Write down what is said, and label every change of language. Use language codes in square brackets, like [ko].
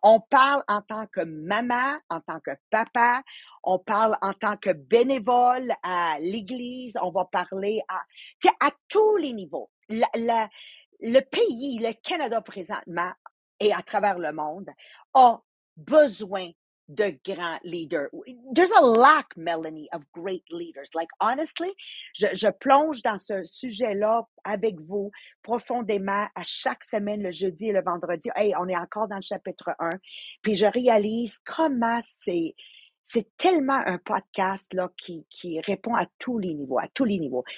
[fr] On parle en tant que maman, en tant que papa, on parle en tant que bénévole à l'église, on va parler à tous les niveaux. Le pays, le Canada présentement et à travers le monde a besoin de grands leaders. [en] There's a lack, Melanie, of great leaders. Like, honestly, [fr] je plonge dans ce sujet-là avec vous profondément à chaque semaine, le jeudi et le vendredi. Hey, on est encore dans le chapitre 1. Puis je réalise comment c'est tellement un podcast là qui répond à tous les niveaux, à tous les niveaux.